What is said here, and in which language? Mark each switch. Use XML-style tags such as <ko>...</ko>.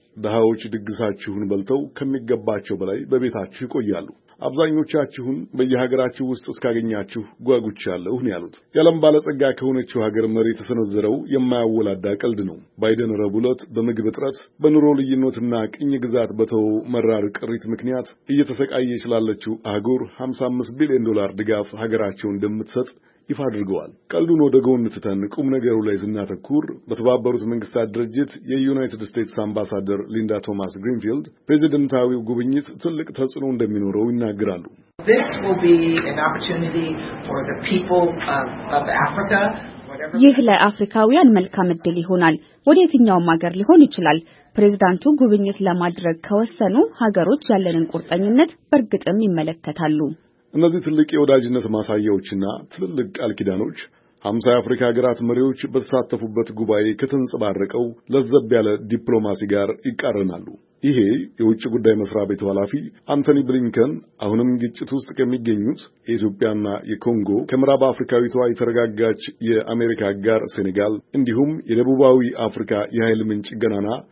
<am>ደሃዎች ድግሳችሁን በልተው ከሚገባቸው በላይ በቤታችሁ ይቆያሉ። አብዛኞቻችሁን በየሀገራችሁ ውስጥ እስካገኛችሁ ጓጉቻለሁ ነው ያሉት። የዓለም ባለጸጋ ከሆነችው ሀገር መሪ የተሰነዘረው የማያወላዳ ቀልድ ነው። ባይደን ረቡዕ ዕለት በምግብ እጥረት፣ በኑሮ ልዩነትና ቅኝ ግዛት በተወ መራር ቅሪት ምክንያት እየተሰቃየ ስላለችው አህጉር 55 ቢሊዮን ዶላር ድጋፍ ሀገራቸው እንደምትሰጥ ይፋ አድርገዋል። ቀልዱን ወደ ጎን ትተን ቁም ነገሩ ላይ ስናተኩር በተባበሩት መንግስታት ድርጅት የዩናይትድ ስቴትስ አምባሳደር ሊንዳ ቶማስ ግሪንፊልድ ፕሬዚደንታዊው ጉብኝት ትልቅ ተጽዕኖ እንደሚኖረው ይናገራሉ።</am> <en>This will be an opportunity for the people of Africa.</en> <am>ይህ ለአፍሪካውያን መልካም እድል ይሆናል። ወዴትኛውም ሀገር ሊሆን ይችላል። ፕሬዝዳንቱ ጉብኝት ለማድረግ ከወሰኑ ሀገሮች ያለንን ቁርጠኝነት በርግጥም ይመለከታሉ። እነዚህ ትልቅ የወዳጅነት ማሳያዎችና ትልልቅ ቃል ኪዳኖች ሀምሳ የአፍሪካ ሀገራት መሪዎች በተሳተፉበት ጉባኤ ከተንጸባረቀው ለዘብ ያለ ዲፕሎማሲ ጋር ይቃረናሉ። ይሄ የውጭ ጉዳይ መስሪያ ቤቱ ኃላፊ አንቶኒ ብሊንከን አሁንም ግጭት ውስጥ ከሚገኙት የኢትዮጵያና የኮንጎ ከምዕራብ አፍሪካዊቷ የተረጋጋች የአሜሪካ ጋር ሴኔጋል እንዲሁም የደቡባዊ አፍሪካ የኃይል ምንጭ ገናና</am>